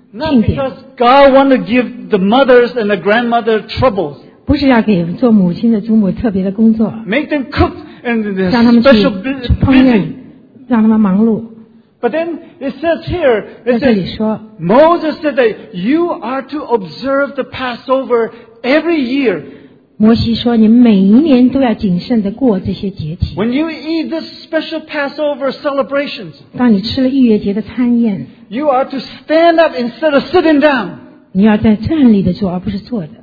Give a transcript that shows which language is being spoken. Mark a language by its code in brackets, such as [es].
[en] Not because God wants to give the mothers and the grandmothers troubles. [zh] 不是要给做母亲的祖母特别的工作。 [en] Make them cook and special [zh] busy. 让他们忙碌。 [en] But then it says here, Moses said that you are to observe the Passover every year. [zh] 摩西说你每一年都要谨慎地过这些节期。 [en] When you eat this special Passover celebrations, [zh] 当你吃了逾越节的餐宴, [en] you are to stand up instead of sitting down. [zh] 你要在站立地做而不是坐的。